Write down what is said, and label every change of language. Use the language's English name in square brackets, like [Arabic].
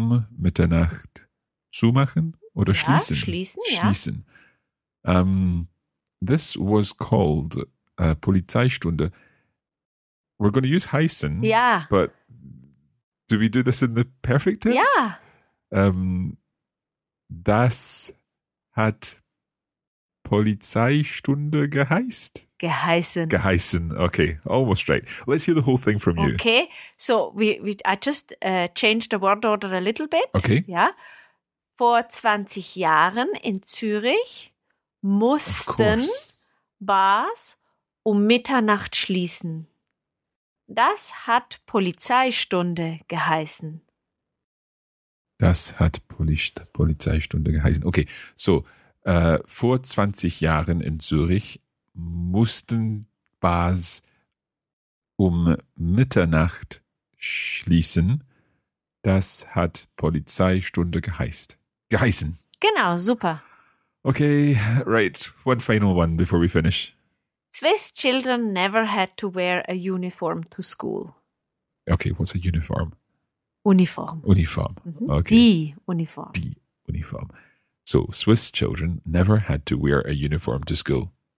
[German] Mitternacht zumachen oder schließen. Ja, schließen, schließen. Ja. [English] This was called Polizeistunde. We're going to use heißen. Yeah. But do we do this in the perfect tense? Yeah. [German] Das hat Polizeistunde geheißt? Geheißen. [English] Geheißen. Okay. Almost right. Let's hear the whole thing from you. Okay. So I just changed the word order a little bit. Okay. [German] Yeah. Vor 20 Jahren in Zürich. Mussten Bars um Mitternacht schließen. Das hat Polizeistunde geheißen. Das hat Polizeistunde geheißen. Okay, so, vor 20 Jahren in Zürich mussten Bars um Mitternacht schließen. Das hat Polizeistunde geheißen. Genau, super. [English] Okay, right, one final one before we finish. Swiss children never had to wear a uniform to school. Okay, what's a uniform? [German] Uniform. [English] Mm-hmm. Okay. [German] Die Uniform. [English] So, Swiss children never had to wear a uniform to school.